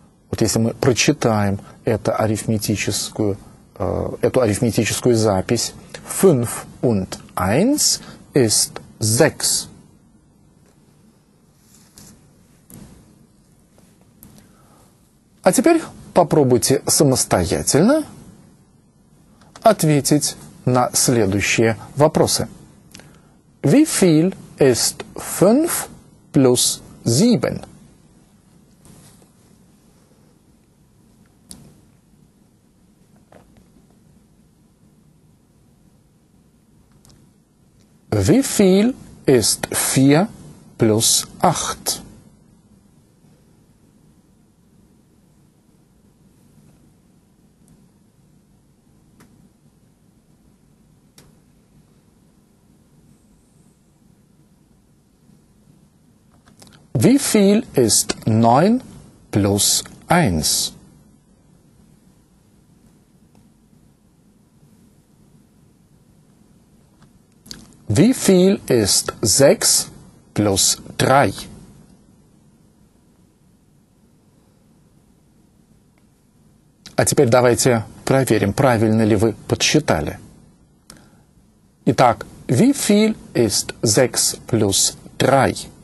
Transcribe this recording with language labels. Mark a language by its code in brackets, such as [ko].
[ru] Вот если мы прочитаем эту арифметическую запись, [de] fünf und eins ist sechs. [ru] А теперь попробуйте самостоятельно ответить на следующие вопросы. [de] Wie viel ist fünf plus sieben? Wie viel ist vier плюс ахт. Wie viel ist 9 plus 1? Wie viel ist 6 plus 3? [ru] А теперь давайте проверим, правильно ли вы подсчитали. Итак, [de] wie viel ist 6 plus 3?